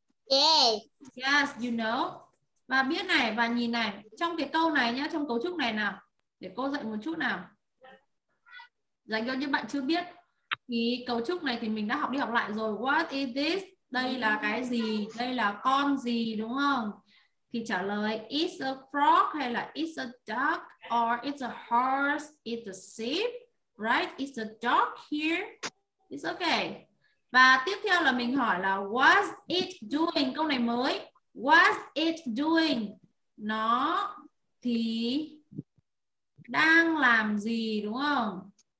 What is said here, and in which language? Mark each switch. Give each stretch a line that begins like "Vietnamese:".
English: Yes. Yes, you know.
Vietnamese: Và biết này và nhìn này, trong cái câu này nhá, trong cấu trúc này nào. Để cô dạy một chút nào. Dành cho những bạn chưa biết thì cấu trúc này thì mình đã học đi học lại rồi.
English: What is this?
Vietnamese: Đây là cái gì? Đây là con gì đúng không? Thì trả lời
English: is a frog
Vietnamese: hay là
English: is a duck or it's a horse, it's a sheep, right? Is a dog here? It's okay.
Vietnamese: Và tiếp theo là mình hỏi là
English: what's it doing?
Vietnamese: Câu này mới.
English: What's it doing?
Vietnamese: Nó thì đang làm gì đúng không?